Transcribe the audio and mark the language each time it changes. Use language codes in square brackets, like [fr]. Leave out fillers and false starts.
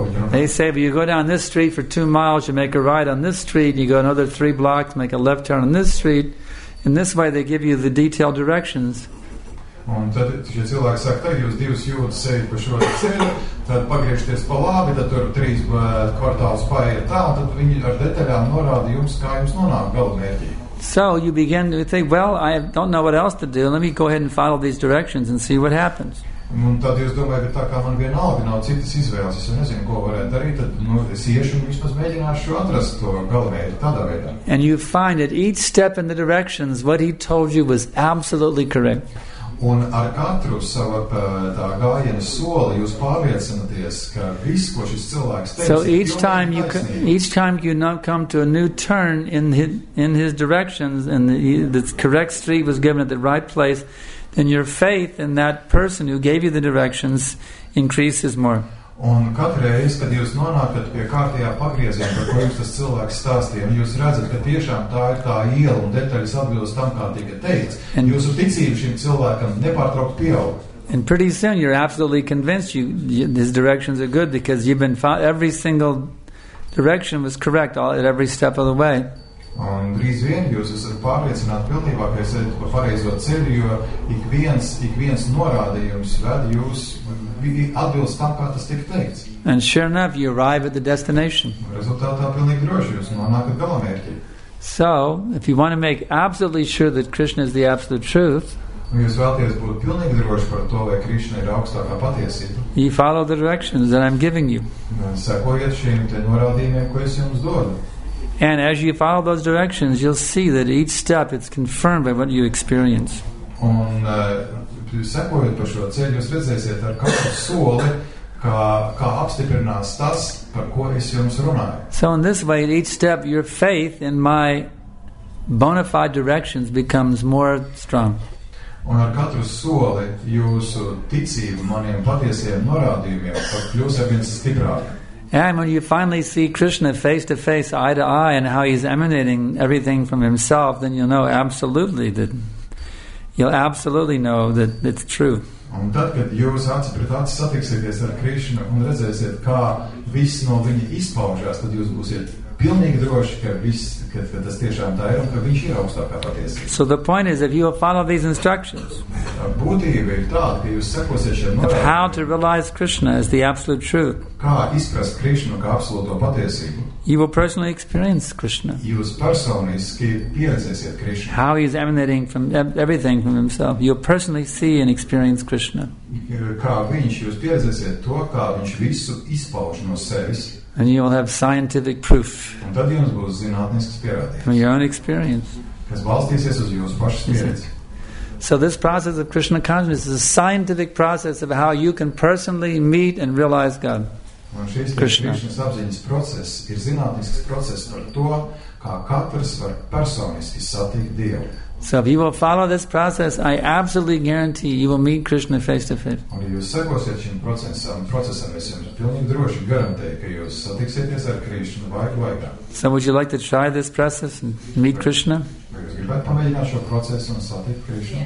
[en] They say, if you go down this street for 2 miles, you make a right on this street, you go another 3 blocks, make a left turn on this street. In this way, they give you the detailed directions. [lv] Un tad šie cilvēki saka, tad jūs divas jūtas ejat pa šo ceļu, tad pagriežties pa labi, tad tur trīs kvartālus paiet tā, un tad viņi ar detaļām norāda jums, kā jums nonāk galvenmērķī. [en] So you begin to think, well, I don't know what else to do, let me go ahead and follow these directions and see what happens. [lv] Un tad jūs domājat, ka tā kā man vienalga nav citas izvēles, es nezinu, ko varētu darīt, tad nu, es iešu un vispār mēģināšu atrast to galvēju tādā veidā. [en] And you find that each step in the directions, what he told you was absolutely correct. [lv] Un ar katru savu tā gājienu soli jūs pārliecināties, ka viss, ko šis cilvēks teica, [en] so each time you come to a new turn in his directions and the correct street was given at the right place, then your faith in that person who gave you the directions increases more. [lv] Un katru reizi, kad jūs nonākat pie kārtējā pagrieziena, par ko jums tas cilvēks stāstīja, un jūs redzat, ka tiešām tā ir tā iela un detaļas atbilst tam, kā tika teikts, un jūsu ticība šim cilvēkam nepārtraukt pieaug. [en] And pretty soon you're absolutely convinced his directions are good because you've been every single direction was correct all at every step of the way. [lv] Un drīz vien jūs esat pārliecināti pilnībā, ka jūs esat par pareizo ceļu, jo ik viens norādījums ved jūs atbilst tam, kā tas tika teikts. [en] And sure enough, you arrive at the destination. [lv] Rezultātā pilnīgi droši jūs nonākat galamērķī. [en] So, if you want to make absolutely sure that Krishna is the absolute truth, [lv] un jūs vēlties būt pilnīgi droši par to, vai Krishna ir augstākā patiesība, [en] you follow the directions that I'm giving you. [lv] Sekojiet šiem te norādījumiem, ko es jums dodu. [en] And as you follow those directions, you'll see that each step it's confirmed by what you experience. [lv] Un sekojot par šo ceļu, jūs redzēsiet ar katru soli, kā apstiprinās tas, par ko es jums runāju. [en] So in this way, at each step, your faith in my bona fide directions becomes more strong. [lv] Un ar katru soli jūsu ticību maniem patiesiem norādījumiem kļūs arvien stiprāk. [en] And when you finally see Krishna face to face, eye to eye, and how he's emanating everything from himself, then you'll know absolutely that you'll absolutely know that it's true. [lv] Un tad, kad jūs acis pret acis satiksieties ar Krishna un redzēsiet, kā viss no viņa izpaužās, tad jūs būsiet pilnīgi droši, ka viss, ka tas tiešām tā ir, un ka viņš ir augstākā patiesība. [en] So the point is, if you will follow these instructions, [lv] būtība ir tāda, ka jūs sekosiet šiem norādījumiem, [en] of how to realize Krishna as the absolute truth, [lv] kā izprast Krishna kā absolūto patiesību, [en] you will personally experience Krishna, [lv] jūs personiski pieredzēsiet Krishna, [en] how he is emanating from everything from himself, you will personally see and experience Krishna, [lv] kā viņš jūs pieredzēsiet to, kā viņš visu izpauž no sevis, [en] and you will have scientific proof. [lv] Un tad jums būs zinātnisks pierādījums. [en] From your own experience. [lv] Kas balstīsies uz jūsu pašu pieredzi. [en] So this process of Krishna consciousness is a scientific process of how you can personally meet and realize God. [lv] Un šis Krishna apziņas process ir zinātnisks process par to, kā katrs var personiski satikt Dievu. [en] So if you will follow this process, I absolutely guarantee you will meet Krishna face to face. [lv] Un ja jūs sekosiet šim procesam, es jums pilnīgi droši garantēju, ka jūs satiksieties ar Krishna vaiku vaikā. [en] So would you like to try this process and meet Krishna? [lv] Vai jūs gribētu pamēģināt šo procesu un satikt Krishna?